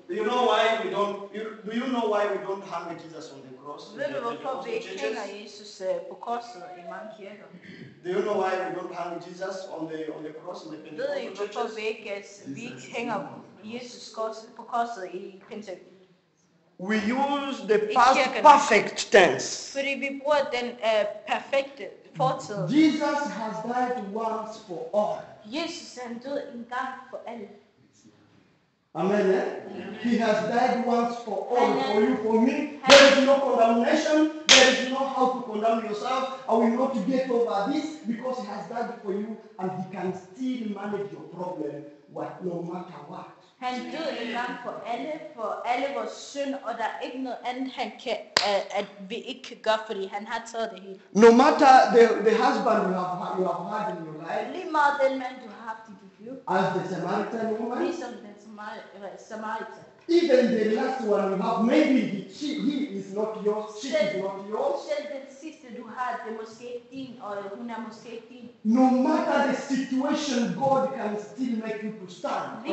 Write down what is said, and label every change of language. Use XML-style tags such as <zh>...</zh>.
<en>Do you know why we don't hang Jesus on the cross?</en> <da>Ved du hvorfor vi ikke hænger Jesus på korset i mange kirker?</da> <en>Do you know why we don't hang Jesus on the cross in the Pentecostal churches?</en> <da>Ved du hvorfor vi ikke hænger Jesus på korset i Pentecostal?</da> <en>We use the past perfect tense.</en> <da>Fordi vi bruger den perfekte fortid.</da> <en>Jesus has died once for all.</en> <da>Jesus han døde en gang for alle.</da> <en>Amen, eh? Amen. He has died once for all, then, for you, for me. There is no condemnation. There is no how to condemn yourself. I will not get over this because he has died for you and he can still manage your problem what, no matter what.</en> <da>Han døde en gang for alle vores synd, og der er ikke noget andet, han kan, at vi ikke kan gøre, fordi han har taget det hele.</da> <en>No matter the husband you have had in your life.</en> <da>Lige meget den mand, du har haft i dit liv.</da> <en>As the Samaritan woman.</en> <da>Ligesom den Samaritan.</da> <en>Even the last one you have, maybe he is not yours, she is not yours.</en> <da>Selv den sidste, du har, det er måske din, og hun er måske din.</da> <en>No matter the situation, God can still make you to stand.</en>